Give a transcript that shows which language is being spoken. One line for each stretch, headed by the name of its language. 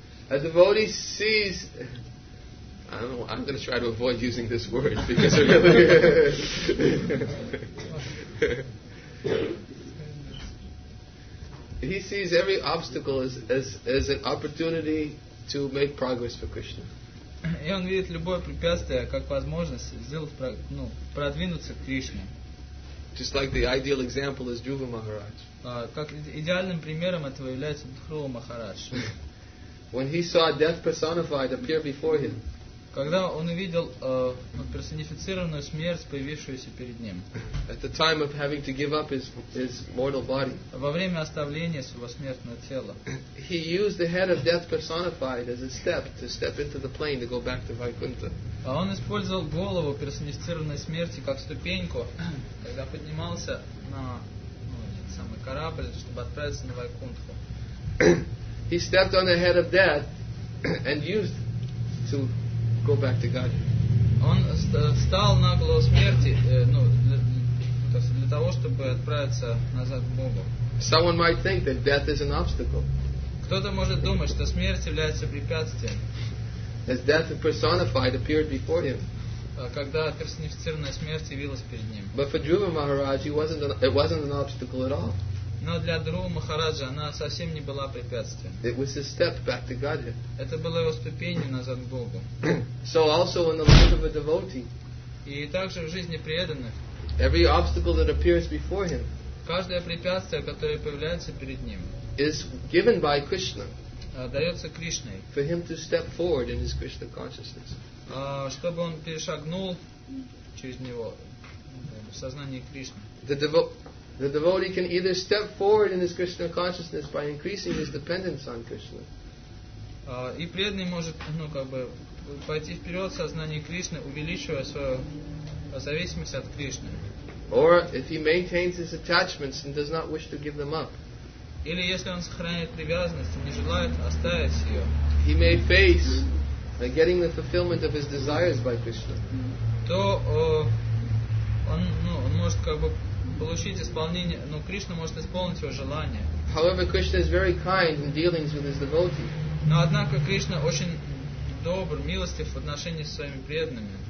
English: A devotee sees, I'm going to try to avoid using this word because it really he sees every obstacle as an opportunity to make progress for Krishna.
Russian: И он видит любое препятствие как возможность сделать, ну, продвинуться к Кришне.
English: Just like the ideal example is Dhruva Maharaj.
Russian: Как идеальным примером этого является Дхрува Махарадж.
English: When he saw death personified appear before him.
Russian: Когда он увидел персонифицированную смерть, появившуюся перед ним.
English: At the time of having to give up his mortal body.
Russian: Во время оставления своего смертного тела.
English: He used the head of death personified as a step to step into the plane to go back to Vaikuntha.
Russian: А он использовал голову персонифицированной смерти как ступеньку, когда поднимался на самый корабль, чтобы отправиться на Вайкунтху.
English: He stepped on the head of death and used to go back to God.
Russian: Он встал на голову смерти, ну, для того, чтобы отправиться назад к Богу.
English: Someone might think that death is an obstacle.
Russian: Кто-то может думать, что смерть является препятствием.
English: As death personified appeared before him.
Russian: Когда персонифицированная смерть явилась перед ним.
English: But for Dhruva Maharaj, it wasn't an obstacle at all.
Russian: Но для Дхрувы Махараджа она совсем не была препятствием.
English: It was his step back to Godhead.
Russian: Это было его ступенью назад к Богу.
English: So also in the life of a devotee.
Russian: И также в жизни преданных.
English: Every obstacle that appears before him.
Russian: Каждое препятствие, которое появляется перед ним.
English: Is given by Krishna.
Russian: Дается Кришной.
English: For him to step forward in his Krishna consciousness.
Russian: Чтобы он перешагнул через него в сознание Кришны.
English: The devotee can either step forward in his Krishna consciousness by increasing his dependence on Krishna.
Russian: И преданный может, ну, как бы, пойти вперед в сознании Кришны, увеличивая свою зависимость от Кришны.
English: Or if he maintains his attachments and does not wish to give them up.
Russian: Или если он сохраняет привязанность и не желает оставить ее.
English: He may face getting the fulfillment of his desires by Krishna.
Russian: То он может, как бы, получить исполнение, но Кришна может исполнить его желание.
English: However, Krishna is very kind in dealings with his devotee.
Russian: Но однако Кришна очень добр, милостив в отношении со своими преданными.